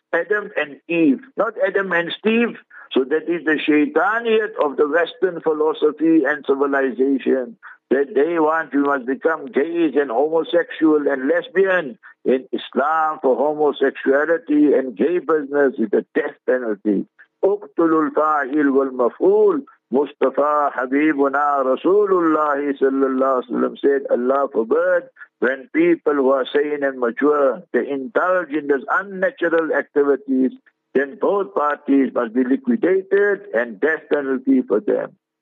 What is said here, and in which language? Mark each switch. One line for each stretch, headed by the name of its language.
English: Adam and Eve, not Adam and Steve. So that is the shaitaniyat of the Western philosophy and civilization, that they want you must become gays and homosexual and lesbian. In Islam, for homosexuality and gay business is a death penalty.
Arabic: اقتلوا الفاعل والمفعول.
English: Mustafa Habibuna Rasulullah sallallahu alaihi wasallam said, Allah forbid when people who are sane and mature, they indulge in these unnatural activities, then both parties must be liquidated and death penalty for them.